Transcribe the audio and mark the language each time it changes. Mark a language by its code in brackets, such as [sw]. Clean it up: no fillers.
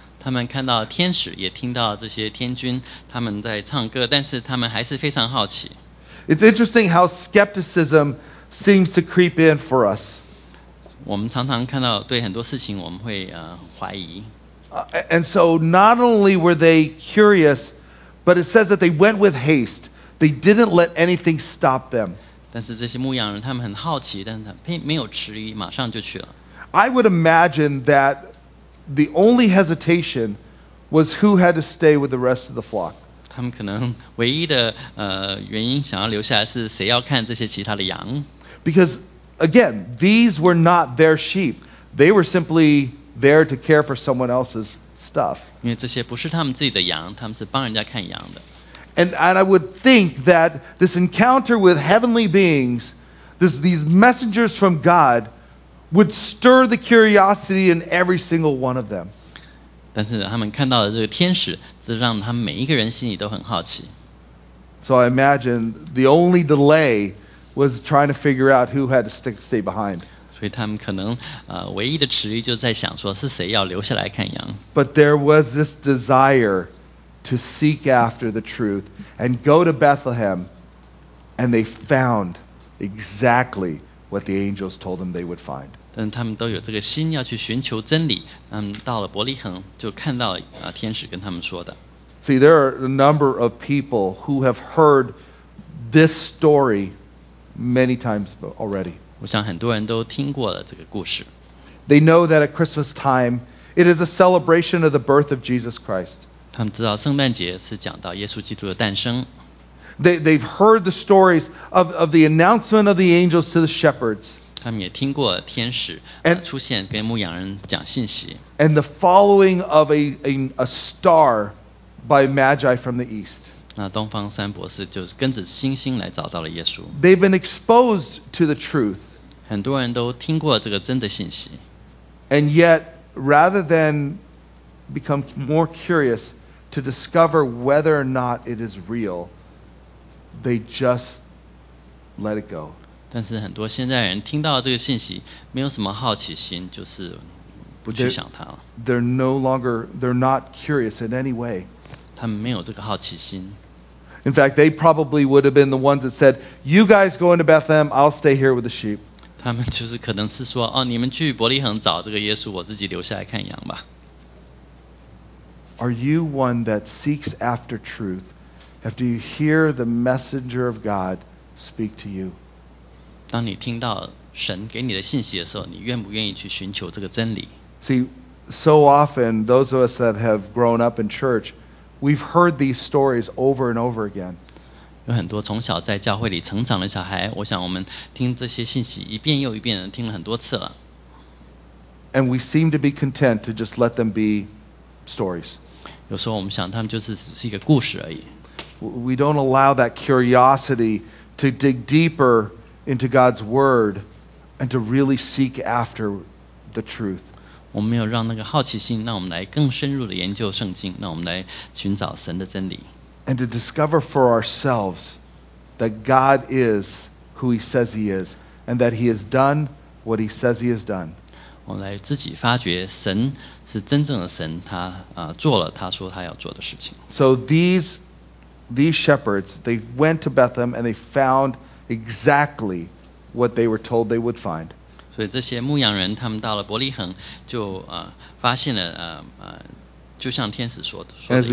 [zh] 他们看到天使，也听到这些天军，他们在唱歌，但是他们还是非常好奇。 [en] It's interesting how skepticism seems to creep in for us. [zh] 我们常常看到对很多事情我们会、怀疑。 [en] And so not only were they curious, but it says that they went with haste. They didn't let anything stop them. [zh] 但是这些牧羊人他们很好奇，但是他没有迟疑，马上就去了。 [en] I would imagine that the only hesitation was who had to stay with the rest of the flock. [zh] 他们可能唯一的、原因想要留下来是谁要看这些其他的羊。 [en] Because... Again, these were not their sheep. They were simply there to care for someone else's stuff. [zh] 因为这些不是他们自己的羊，他们是帮人家看羊的。 [en] And I would think that this encounter with heavenly beings, these messengers from God, would stir the curiosity in every single one of them. [zh] 但是他们看到的这个天使，这让他们每一个人心里都很好奇。 [en] So I imagine the only delay. Was trying to figure out who had to stay behind. [zh] 所以他们可能唯一的迟疑就在想说是谁要留下来看羊。 [en] But there was this desire to seek after the truth and go to Bethlehem, and they found exactly what the angels told them they would find. [zh] 但他们都有这个心要去寻求真理，到了伯利恒就看到天使跟他们说的。 [en] See, there are a number of people who have heard this story. Many times already. [zh] 我想很多人都听过了这个故事。 [en] They know that at Christmas time, it is a celebration of the birth of Jesus Christ. [zh] 他们知道圣诞节是讲到耶稣基督的诞生。 [en] They've heard the stories of the announcement of the angels to the shepherds. [zh] 他们也听过天使出现跟牧羊人讲信息。 [en] And the following of a star by magi from the east. [zh] 那东方三博士就是跟着星星来找到了耶稣。 [en] They've been exposed to the truth. [zh] 很多人都听过这个真的信息。 [en] And yet, rather than become more curious to discover whether or not it is real, they just let it go. [zh] 但是很多现在人听到这个信息，没有什么好奇心，就是不去想它了。 [en] They're not curious in any way. [zh] 他们没有这个好奇心。 [en] In fact, they probably would have been the ones that said, "You guys go into Bethlehem, I'll stay here with the sheep." [zh] 他们就是可能是说，哦，你们去伯利恒找这个耶稣，我自己留下来看羊吧。 [en] Are you one that seeks after truth after you hear the messenger of God speak to you? [zh] 当你听到神给你的信息的时候，你愿不愿意去寻求这个真理？ [en] See, so often those of us that have grown up in church. We've heard these stories over and over again. [zh] 有很多从小在教会里成长的小孩，我想我们听这些信息一遍又一遍的听了很多次了。 [en] And we seem to be content to just let them be stories. [zh] 有时候我们想他们就是只是一个故事而已。 [en] We don't allow that curiosity to dig deeper into God's word and to really seek after the truth. [zh] 我们没有让那个好奇心，让我们来更深入的研究圣经，让我们来寻找神的真理。 [en] And to discover for ourselves that God is who He says He is, and that He has done what He says He has done. [zh] 我们来自己发觉神是真正的神，他做了他说他要做的事情。 [en] So these shepherds, they went to Bethlehem and they found exactly what they were told they would find. [zh] 所以这些牧羊人他们到了伯利恒就、发现了、就像天使说的一切。